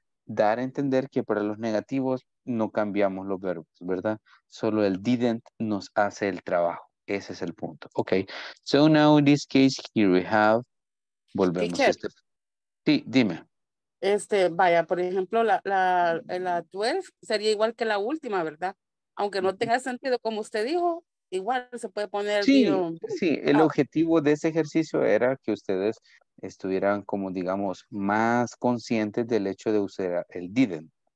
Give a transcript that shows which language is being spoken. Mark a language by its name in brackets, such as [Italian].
[Spanish] Dar a entender que para los negativos no cambiamos los verbos, ¿verdad? Solo el didn't nos hace el trabajo. Ese es el punto. Ok. [English] So now in this case here we have. [Spanish] Volvemos. Teacher, sí, dime. Vaya, por ejemplo, la 12 sería igual que la última, ¿verdad? Aunque no tenga sentido como usted dijo, igual se puede poner. Sí, el objetivo de ese ejercicio era que ustedes estuvieran como, digamos, más conscientes del hecho de usar el didn't.